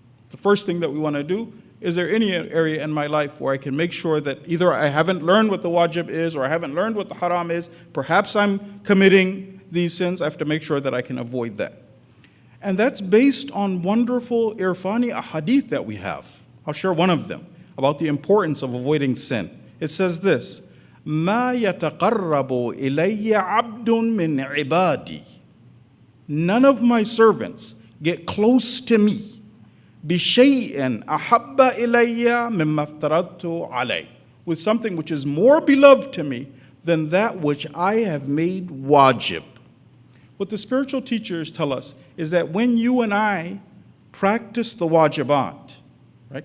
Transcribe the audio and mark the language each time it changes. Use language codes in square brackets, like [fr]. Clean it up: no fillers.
[en] The first thing that we want to do, is there any area in my life where I can make sure that either I haven't learned what the wajib is or I haven't learned what the haram is, perhaps I'm committing these sins, I have to make sure that I can avoid that. And that's based on wonderful Irfani ahadith that we have. I'll share one of them about the importance of avoiding sin. It says this, [ar] مَا يَتَقَرَّبُ إِلَيَّ عَبْدٌ مِّنْ عِبَادِي. [en] None of my servants get close to me [ar] بِشَيْءٍ أَحَبَّ إِلَيَّ مِمَّا افْتَرَضْتُ عَلَيْهِ, [en] with something which is more beloved to me than that which I have made wajib. What the spiritual teachers tell us is that when you and I practice the wajibat, right?